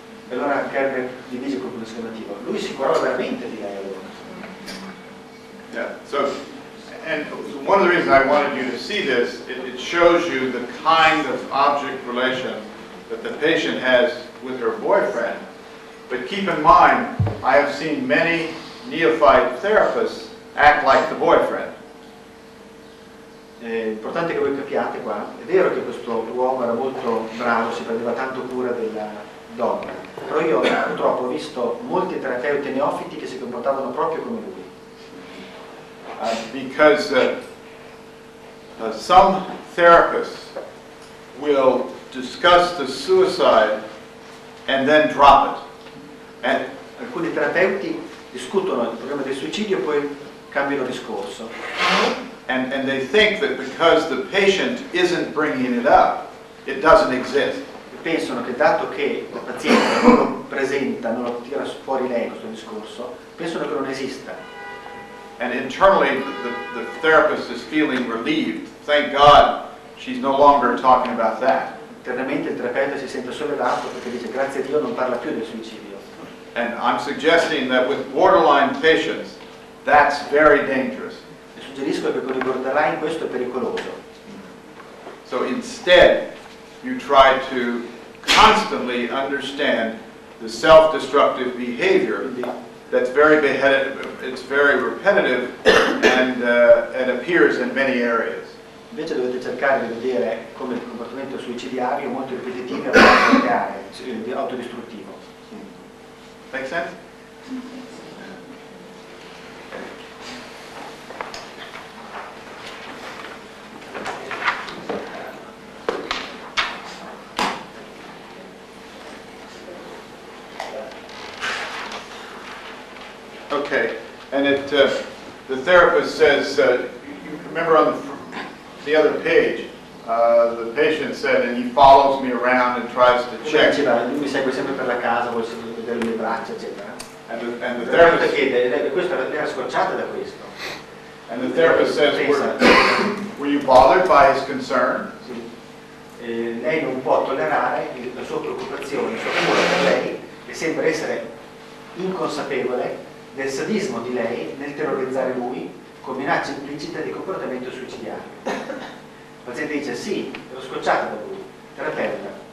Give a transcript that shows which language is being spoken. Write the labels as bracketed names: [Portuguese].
[Italian] E allora Kernberg gli dice con un esclamativo, lui si curava veramente di lei allora. [English] Yeah, so, and one of the reasons I wanted you to see this, it shows you the kind of object relation that the patient has with her boyfriend. But keep in mind, I have seen many neophyte therapists act like the boyfriend. [Italian] È importante che voi capiate qua, è vero che questo uomo era molto bravo, si prendeva tanto cura della donna, però io purtroppo ho visto molti terapeuti neofiti che si comportavano proprio come lui. [English] Because some therapists will discuss the suicide and then drop it. [Italian] And alcuni terapeuti discutono il problema del suicidio e poi cambiano discorso. [English] And they think that because the patient isn't bringing it up, it doesn't exist. [Italian] E pensano che dato che il paziente non lo presenta, non lo tira fuori lei questo discorso, pensano che non esista. [English] And internally the therapist is feeling relieved. Thank God she's no longer talking about that. [Italian] Internamente il terapeuta si sente sollevato perché dice grazie a Dio non parla più del suicidio. [English] And I'm suggesting that with borderline patients, that's very dangerous. [Italian] Suggerisco che con i borderline questo è pericoloso. [English] So instead, you try to constantly understand the self-destructive behavior that's very it's very repetitive and appears in many areas. [Italian] Invece dovete cercare di vedere come il comportamento suicidiario molto ripetitivo e molto autodistruttivo. [English] Make sense? Okay, and it the therapist says, you remember on the other page, the patient said, and he follows me around and tries to check. [Italian] Mi segue sempre per la casa, vuole sempre vedere le mie braccia, eccetera. [English] And the therapist [Italian] chiede, questa è scocciata da questo. [English] And the therapist says, were you bothered by his concern? [Italian] Sì. Lei non può tollerare la sua preoccupazione, il suo amore per lei, che sembra essere inconsapevole del sadismo di lei nel terrorizzare lui con minacce implicite di comportamento suicidiario. Il paziente dice sì, ero scocciato da lui, terapeuta.